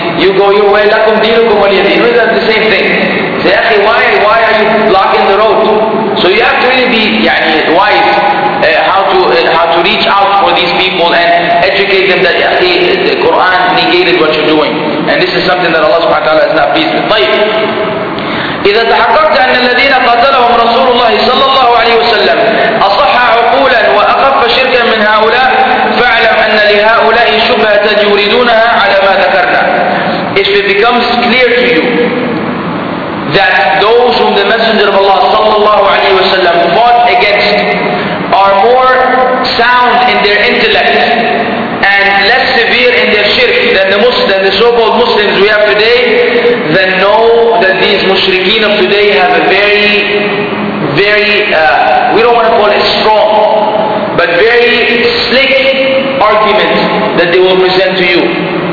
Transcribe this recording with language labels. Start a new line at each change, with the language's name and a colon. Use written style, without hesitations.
English: You go your way, lakum deenukum waliyadeen. It's the same thing. Say, akhi, why are you blocking the road? So you have to really be yani, wise how to reach out for these people and educate them that akhi, the Quran negated what you're doing. And this is something that Allah subhanahu wa ta'ala is not pleased with.
Arabic: طيب. إذا تحققت أن الذين قتلهم رسول الله صلى الله عليه وسلم أصح عقولا وأخف شركا من هؤلاء فاعلم أن لهؤلاء شبهة يريدونها على ما ذكرنا.
English: If it becomes clear to you that those whom the Messenger of Allah صلى الله عليه وسلم fought against are more sound in their intellect and less severe in their shirk than the so-called Muslims we have today, then know that these mushrikeen of today have a very, very, we don't want to call it strong, but very slick argument that they will present to you.